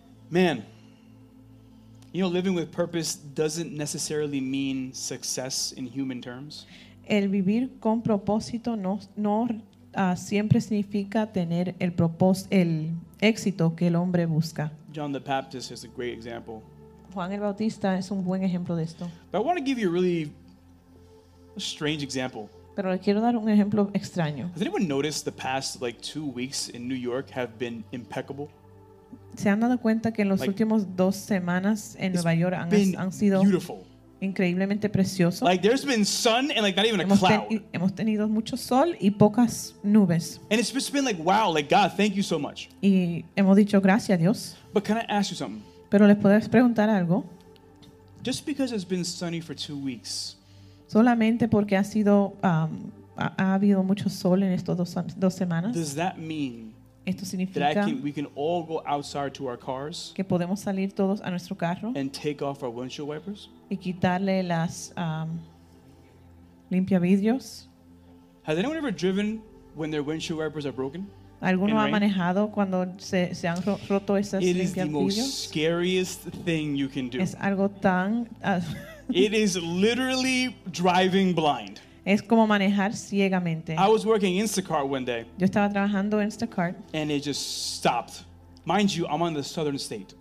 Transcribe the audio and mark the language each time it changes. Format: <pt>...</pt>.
<en>Man, you know, living with purpose doesn't necessarily mean success in human terms.</en> <es>El vivir con propósito no siempre significa tener el propósito, el éxito que el hombre busca.</es> <en>John the Baptist is a great example.</en> <es>Juan el Bautista es un buen ejemplo de esto.</es> <en>But I want to give you a really strange example.</en> <es>Pero le quiero dar un ejemplo extraño.</es> <en>Has anyone noticed the past like 2 weeks in New York have been impeccable?</en> <es>¿Se han dado cuenta que en los últimos 2 semanas en Nueva York han sido</es> <en>beautiful?</en> <es>increíblemente precioso.</es> <en>Like there's been sun and like not even</en> <es>hemos</es> <en>a cloud.</en> <es>Hemos tenido mucho sol y pocas nubes.</es> <en>And it's just been like, wow, like God, thank you so much.</en> <es>Y hemos dicho gracias a Dios.</es> <en>But can I ask you something?</en> <es>Pero les puedo preguntar algo.</es> <en>Just because it's been sunny for 2 weeks.</en> <es>Solamente porque ha sido ha habido mucho sol en estos dos semanas.</es> <en>Does that mean</en> <es>esto significa</es> <en>that we can all go outside to our cars</en> <es>que podemos salir todos a nuestro carro</es> <en>and take off our windshield wipers?</en> <es>Y quitarle las limpiavidrios.</es> <en>Has anyone ever driven when their windshield wipers are broken?</en> <es>¿Alguno ha manejado cuando se han roto esas limpiavidrios?</es> <en>It is the most scariest thing you can do.</en> <es>Es algo tan</es> <en>it is literally driving blind.</en> <es>Es como manejar ciegamente.</es> <en>I was working Instacart one day.</en> <es>Yo estaba trabajando Instacart.</es> <en>And it just stopped. Mind you, I'm on the southern state.</en>